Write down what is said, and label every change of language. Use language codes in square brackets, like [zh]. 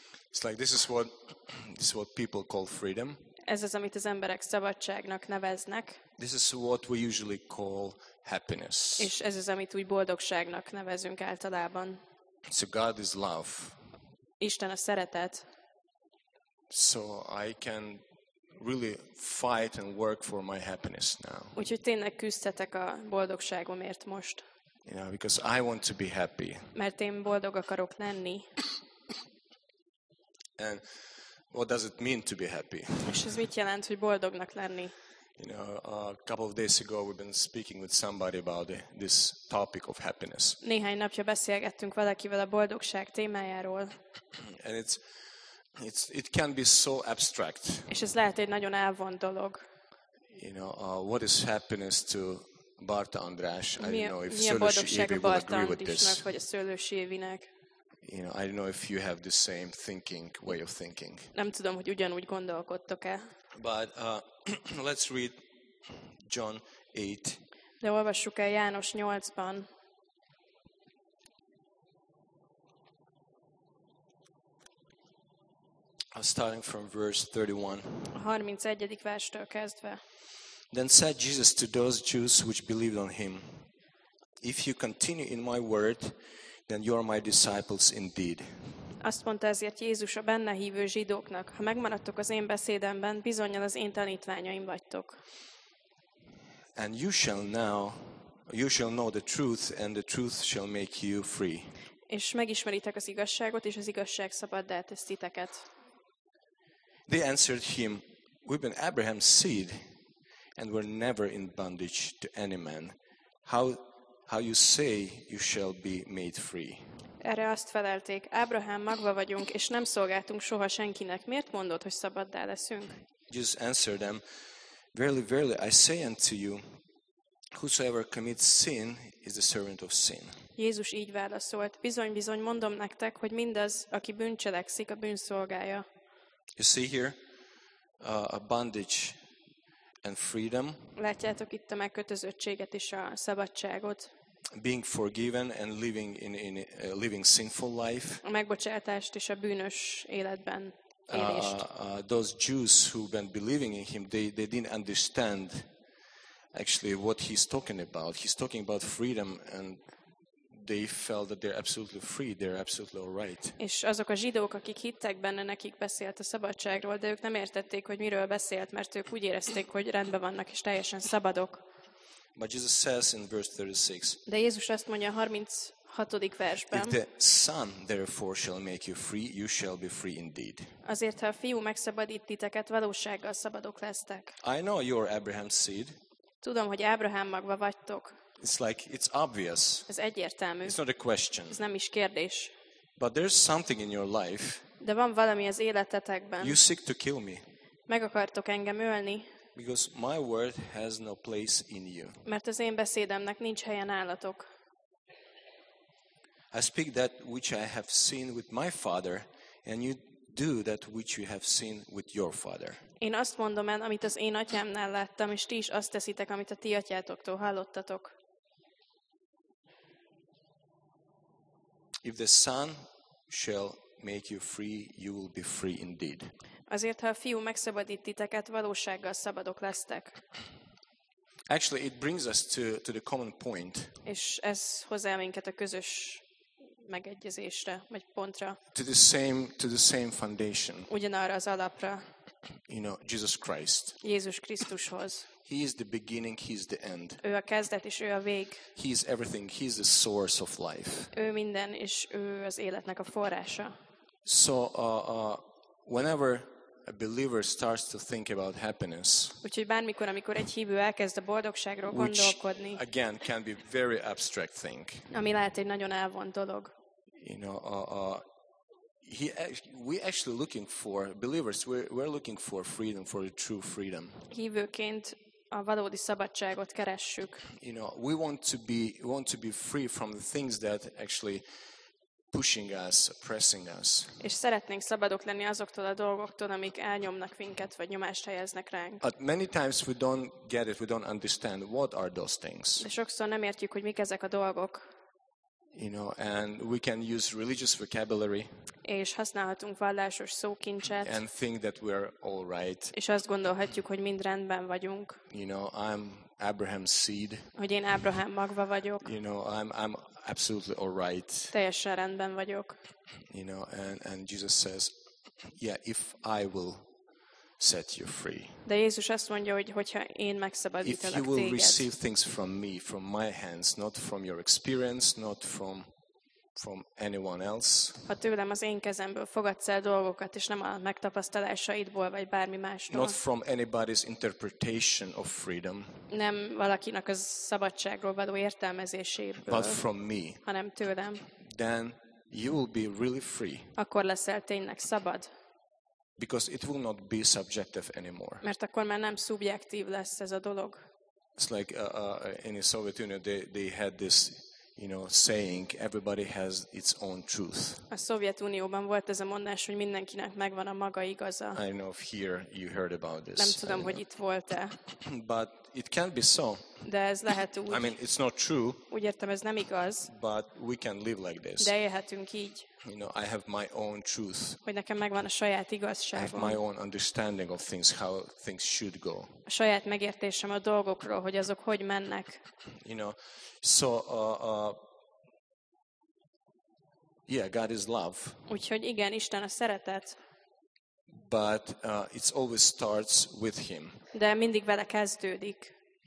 [en] It's like this is what people call freedom. [hu] Ez az, amit az emberek szabadságnak neveznek. [en] This is what we usually call happiness. [hu] És ez az, amit úgy boldogságnak nevezünk általában. [en] So God is love. [hu] Isten a szeretet. [en] So I can really fight and work for my happiness now. [hu] Úgyhogy tényleg küzdhetek a boldogságomért most. [en] You know, because I want to be happy. [hu] Mert én boldog akarok lenni. [en] And what does it mean to be happy? [hu] És ez mit jelent, hogy boldognak lenni? [en] You know, a couple of days ago we've been speaking with somebody about this topic of happiness. [hu] Néhány napja beszélgettünk valakivel a boldogság témájáról. [en] And it can be so abstract. [hu] És ez lehet egy nagyon elvont dolog. [en] You know, what is happiness to Barta András? I don't know if Szőlősi Évi will agree with this. [hu] Vagy a Szőlősi Évinek. [en] You know, I don't know if you have the same thinking, way of thinking. [hu] Nem tudom, hogy ugyanúgy gondolkodtok-e. [en] But let's read John 8. [hu] De olvassuk el János 8-ban. [en] Starting from verse 31. [hu] A 31. verstől kezdve. [en] Then said Jesus to those Jews which believed on him, if you continue in my word, then you are my disciples indeed. [hu] Azt mondta ezért Jézus a benne hívő zsidóknak, ha megmaradtok az én beszédemben, bizonnyal az én tanítványaim vagytok. [en] And you shall know the truth, and the truth shall make you free. [hu] És megismeritek az igazságot, és az igazság szabaddá tesz titeket. [en] They answered him, we've been Abraham's seed, and we're never in bondage to any man. How you say you shall be made free? [hu] Erre azt felelték, Ábrahám magva vagyunk, és nem szolgáltunk soha senkinek. Miért mondod, hogy szabaddá leszünk? [en] Jesus answered them, verily, verily, I say unto you, whosoever commits sin is the servant of sin. [hu] Jézus így válaszolt, bizony, bizony, mondom nektek, hogy mindaz, aki bűncselekszik, a bűnszolgája. [en] You see here, a bondage and freedom. [hu] Látjátok itt a megkötözöttséget és a szabadságot. [en] Being forgiven and living in living sinful life. [hu] A megbocsátást és a bűnös életben élést. [en] Those Jews who've been believing in him, they didn't understand actually what he's talking about. He's talking about freedom, and they felt that they're absolutely free, they're absolutely all right. [hu] És azok a zsidók, akik hittek benne, nekik beszélt a szabadságról, de ők nem értették, hogy miről beszélt, mert ők úgy érezték, hogy rendben vannak és teljesen szabadok. [en] But Jesus says in verse 36. [hu] De Jézus azt mondja a 36. versben. [en] If the Son therefore shall make you free, you shall be free indeed. [hu] Azért, ha a fiú megszabadít titeket, valósággal szabadok lesztek. [en] I know you're Abraham's seed. [hu] Tudom, hogy Ábrahám magva vagytok. [en] It's like it's obvious. [hu] Ez egyértelmű. [en] It's not a question. [hu] Ez nem is kérdés. [en] But there's something in your life. [hu] De van valami az életetekben. [en] You seek to kill me. [hu] Meg akartok engem ölni. [en] Because my word has no place in you. [hu] Mert az én beszédemnek nincs helye nálatok. [en] I speak that which I have seen with my father, and you do that which you have seen with your father. [hu] Én azt mondom el, amit az én atyámnál láttam, és ti is azt teszitek, amit a ti atyátoktól hallottatok. [en] If the Son shall make you free, you will be free indeed. [hu] Azért, ha a fiú megszabadít titeket, valósággal szabadok lesztek. [en] Actually, it brings us to the common point. [hu] És ez hozzá minket a közös megegyezésre, vagy pontra. [en] To the same foundation. [hu] Ugyanarra az alapra. [en] You know, Jesus Christ. [hu] Jézus Krisztushoz. [en] He is the beginning, he is the end. [hu] Ő a kezdet és ő a vég. [en] He is everything, he is the source of life. [hu] Ő minden és ő az életnek a forrása. [en] So whenever a believer starts to think about happiness, [hu] úgyhogy bármikor, amikor egy hívő elkezd a boldogságról gondolkodni, [en] which again can be very abstract thing, [hu] ami lehet egy nagyon elvont dolog, [en] you know, we're actually looking for believers. We're looking for freedom, for a true freedom. [hu] Hívőként a valódi szabadságot keressük. [en] You know, we want to be free from the things that actually pushing us, oppressing us. [hu] És szeretnénk szabadok lenni azoktól a dolgoktól, amik elnyomnak minket vagy nyomást helyeznek ránk. [en] But many times we don't get it, we don't understand what are those things. [hu] De sokszor nem értjük, hogy mik ezek a dolgok. [en] You know, and we can use religious vocabulary. [hu] És használhatunk vallásos szókincset. [en] And think that we are all right. [hu] És azt gondolhatjuk, hogy mind rendben vagyunk. [en] You know, I'm Abraham's seed. [hu] Hogy én Ábrahám magva vagyok. [en] You know, I'm absolutely all right. [hu] Teljesen rendben vagyok. [en] You know, and Jesus says, yeah, if I will set you free. [hu] De Jézus azt mondja, hogyha én megszabadítalak téged. [en] If you will receive things from me, from my hands, not from your experience, not from anyone else. [hu] Ha tőlem, az én kezemből fogadsz el dolgokat, és nem a megtapasztalásaidból vagy bármi másról. [en] Not from anybody's interpretation of freedom. [hu] Nem valakinek a szabadságról való értelmezéséből. [en] But from me. [hu] Hanem tőlem. [en] Then you will be really free. [hu] Akkor leszel tényleg szabad. [en] Because it will not be subjective anymore. [hu] Mert akkor már nem szubjektív lesz ez a dolog. [en] It's like in the Soviet Union they had this, you know, saying everybody has its own truth. [hu] A Szovjetunióban volt ez a mondás, hogy mindenkinek megvan a maga igaza. [en] I don't know if here you heard about this. [hu] Nem tudom, hogy itt volt-e. [en] But it can be so. [hu] De ez lehet úgy. [en] I mean, it's not true. [hu] Úgy értem, ez nem igaz. [en] But we can live like this. [hu] De élhetünk így. [en] You know, I have my own truth. [hu] Hogy nekem megvan a saját igazságom. [en] I have my own understanding of things, how things should go. [hu] A saját megértésem a dolgokról, hogy azok hogy mennek. [en] You know, so yeah, God is love. [hu] Úgyhogy igen, Isten a szeretet. [en] But it always starts with him. [hu] De mindig vele kezdődik.